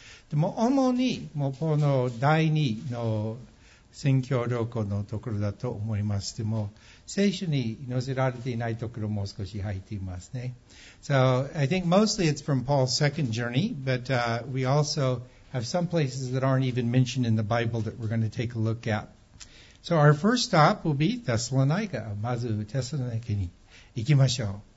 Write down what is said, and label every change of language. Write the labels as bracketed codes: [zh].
[ja] でも主にもうこの第二の宣教旅行のところだと思います。でも聖書に載せられていないところも少し入っていますね。 [en] So I think mostly it's from Paul's second journey, but we also have some places that aren't even mentioned in the Bible that we're going to take a look at. So our first stop will be Thessalonica. [ja] まずテサロニケに行きましょう。